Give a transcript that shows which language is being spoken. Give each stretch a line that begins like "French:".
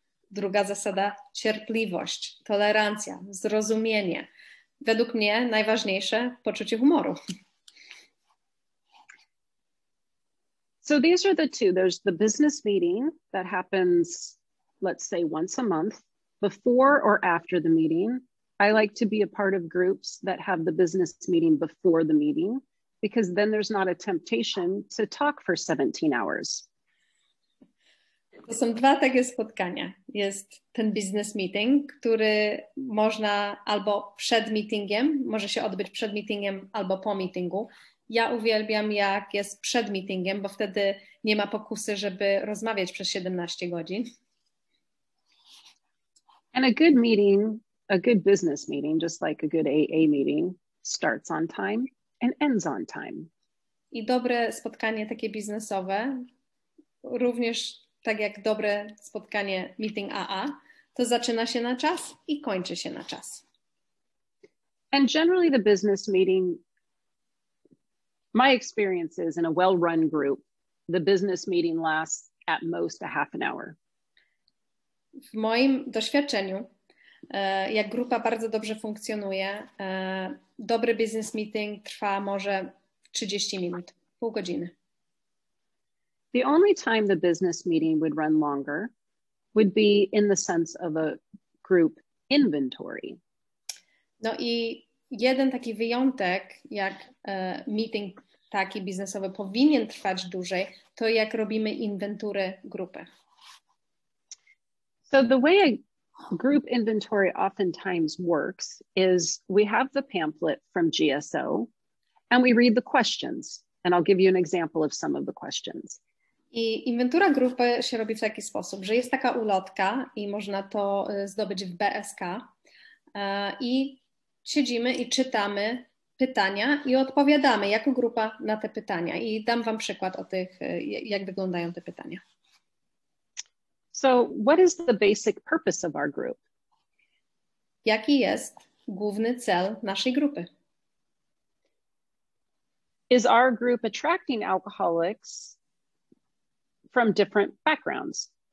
Polish: Druga zasada, cierpliwość, tolerancja, zrozumienie. Według mnie najważniejsze, poczucie humoru.
English: So these are the two. There's the business meeting that happens, let's say, once a month, before or after the meeting. I like to be a part of groups that have the business meeting before the meeting, because then there's not a temptation to talk for 17 hours.
Polish: To są dwa takie spotkania. Jest ten business meeting, który można albo przed meetingiem, może się odbyć przed meetingiem albo po meetingu. Ja uwielbiam, jak jest przed meetingiem, bo wtedy nie ma pokusy, żeby rozmawiać przez 17 godzin.
English: And a good meeting, a good business meeting, just like a good AA meeting, starts on time and ends on time.
Polish: I dobre spotkanie takie biznesowe, również tak jak dobre spotkanie meeting AA, to zaczyna się na czas i kończy się na czas.
English: And generally the business meeting, my experience is in a well-run group, the business meeting lasts at most a half an hour.
Polish: W moim doświadczeniu, jak grupa bardzo dobrze funkcjonuje, dobry business meeting trwa może 30 minut, pół godziny.
English: The only time the business meeting would run longer would be in the sense of a group inventory.
Polish: No i jeden taki wyjątek, jak meeting taki biznesowy powinien trwać dłużej, to jak robimy inwentury grupy.
English: So the way a group inventory oftentimes works is we have the pamphlet from GSO and we read the questions. And I'll give you an example of some of the questions.
Polish: I inwentura grupy się robi w taki sposób, że jest taka ulotka i można to zdobyć w BSK. I siedzimy i czytamy pytania i odpowiadamy jako grupa na te pytania. I dam wam przykład o tych, jak wyglądają te pytania.
English: So what is the basic purpose of our group?
Polish: Jaki jest główny cel naszej grupy?
English: Is our group attracting alcoholics from different backgrounds?